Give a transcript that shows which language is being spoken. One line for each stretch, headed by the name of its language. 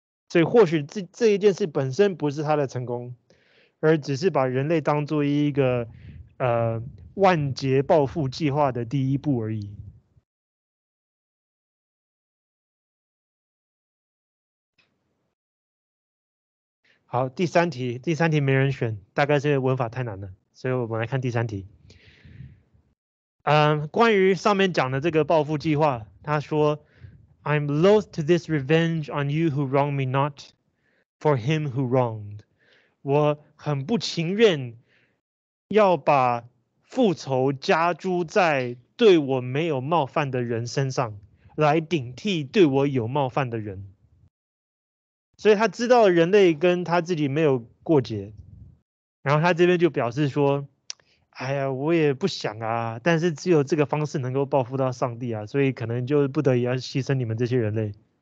Chinese: 所以或许这一件事本身不是他的成功，而只是把人类当作一个万劫报复计划的第一步而已。好，第三题没人选，大概是文法太难了，所以我们来看第三题。关于上面讲的这个报复计划，他说
English: I'm loath to this revenge on you who wronged me not for him who wronged.
Chinese: 我很不情愿要把复仇加诸在对我没有冒犯的人身上，来顶替对我有冒犯的人。所以他知道人类跟他自己没有过节，然后他这边就表示说，哎呀，我也不想啊，但是只有这个方式能够报复到上帝啊，所以可能就不得已要牺牲你们这些人类。